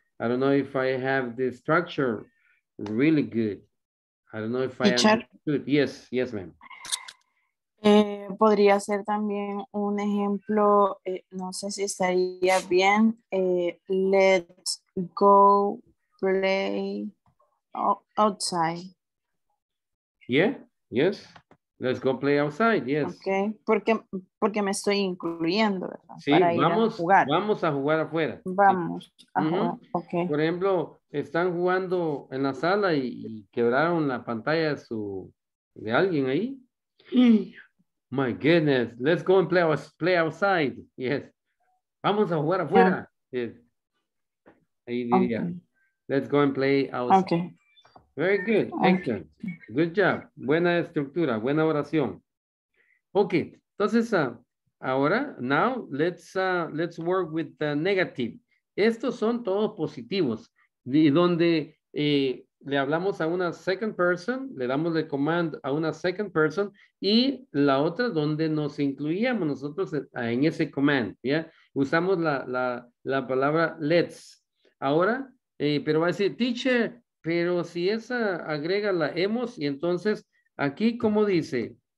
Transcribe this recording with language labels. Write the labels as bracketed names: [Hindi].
[English] I don't know if I have the structure really good. I don't know if I understood. Yes, yes, ma'am. [Spanish] Podría ser también un ejemplo, no sé si estaría bien, [English] let's go play outside. Yeah, yes, let's go play outside, yes. [Spanish] Ok, porque me estoy incluyendo, ¿verdad? Sí, para vamos, ir a jugar. Vamos a jugar afuera. Vamos, uh-huh. Okay. Por ejemplo, están jugando en la sala y quebraron la pantalla de alguien ahí. [English] My goodness, let's go and play outside. Yes. [Spanish] Vamos a jugar afuera. Yeah. Yes. Ahí diría. Okay. [English] Let's go and play outside. Okay. Very good. Excellent. Okay. Good job. [Spanish] Buena estructura, buena oración. [English] Okay. [Spanish] Entonces, ahora, [English] now, let's work with the negative. [Spanish] Estos son todos positivos. Y donde le hablamos a una second person, le damos el command a una second person y la otra donde nos incluíamos nosotros en ese command, ¿ya? Usamos la palabra let's. Ahora, pero va a decir, teacher, pero si esa agrega la hemos y entonces aquí, ¿cómo dice?